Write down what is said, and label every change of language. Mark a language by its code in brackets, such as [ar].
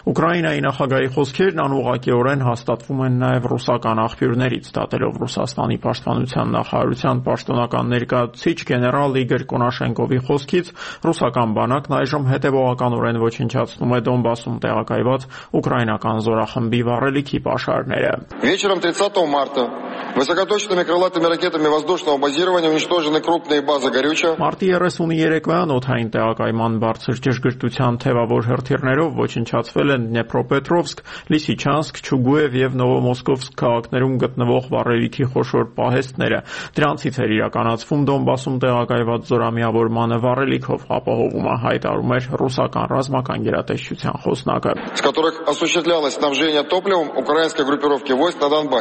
[hy] Ուկրաինայի նախագահի խոսքերն անուղակիորեն հաստատվում են նաև ռուսական աղբյուրներից, դատելով Ռուսաստանի պաշտպանության նախարարության պաշտոնական ներկայացուցիչ գեներալ Իգոր Կոնաշենկովի խոսքից, ռուսական բանակն այժմ հետևողականորեն ոչնչացնում է Դոնբասում տեղակայված ուկրաինական զորախմբի վառելիքի պաշարները։ [ru] Вечером 30 марта высокоточными крылатыми ракетами воздушного базирования уничтожены крупные базы горючего. [hy] Մարտի 33-ին օթային տեղակայման բարձր ճշգրտության թևավոր հրթիռներով ոչնչացվել են Դնեպրոպետրովսկ, Լիսիչանսկ, Չուգուև և Նովոմոսկովսկ քաղաքներում գտնվող վառելիքի խոշոր պահեստները։ Դրանցից էր իրականացվում Դոնբասում տեղակայված զորամիավորմանը վառելիքով ապահովումը, հայտարարում էր ռուսական ռազմական գերատեսչության խոսնակը։